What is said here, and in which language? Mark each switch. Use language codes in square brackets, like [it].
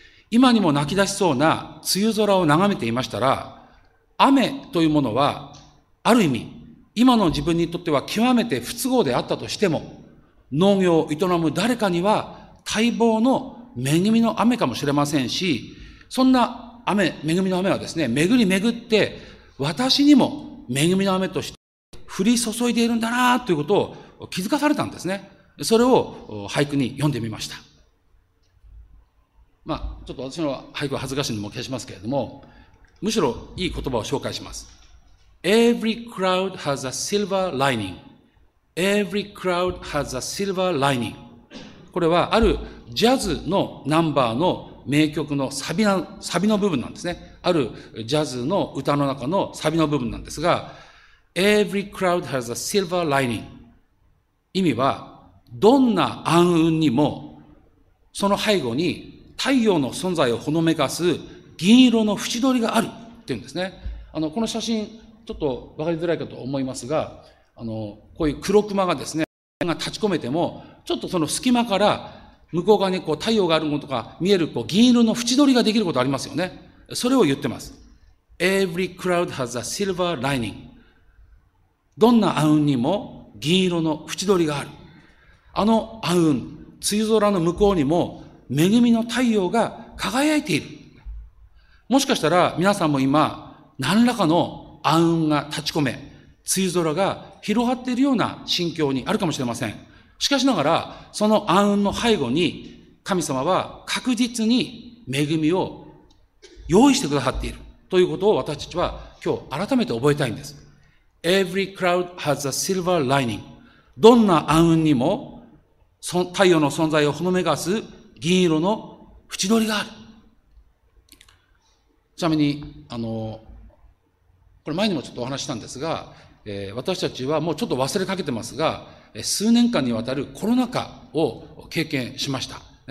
[ja] 今にも泣き出しそうな梅雨空を眺めていましたら、雨というものは、ある意味、今の自分にとっては極めて不都合であったとしても、農業を営む誰かには待望の恵みの雨かもしれませんし、そんな雨、恵みの雨はですね、巡り巡って、私にも恵みの雨として降り注いでいるんだなということを気づかされたんですね。それを俳句に読んでみました。ちょっと私の俳句は恥ずかしいのも消しますけれども、むしろいい言葉を紹介します。 [en] Every cloud has a silver lining. Every cloud has a silver lining. [ja] これはあるジャズのナンバーの名曲のサビの部分なんですね。あるジャズの歌の中のサビの部分なんですが、 [en] Every cloud has a silver lining. [ja] 意味は、どんな暗雲にも、その背後に、太陽の存在をほのめかす銀色の縁取りがあるっていうんですね。この写真、ちょっとわかりづらいかと思いますが、こういう黒クマがですね、が立ち込めても、ちょっとその隙間から向こう側にこう太陽があることが見えるこう銀色の縁取りができることありますよね。それを言ってます。 [en] Every cloud has a silver lining. [ja] どんな暗雲にも銀色の縁取りがある。暗雲、梅雨空の向こうにも恵みの太陽が輝いている。もしかしたら皆さんも今何らかの暗雲が立ち込め梅雨空が広がっているような心境にあるかもしれません。しかしながらその暗雲の背後に神様は確実に恵みを用意してくださっているということを私たちは今日改めて覚えたいんです。 [en] Every cloud has a silver lining. [ja] どんな暗雲にも太陽の存在をほのめかす銀色の縁取りがある。ちなみに、これ前にもちょっとお話したんですが、私たちはもうちょっと忘れかけてますが、数年間にわたるコロナ禍を経験しました。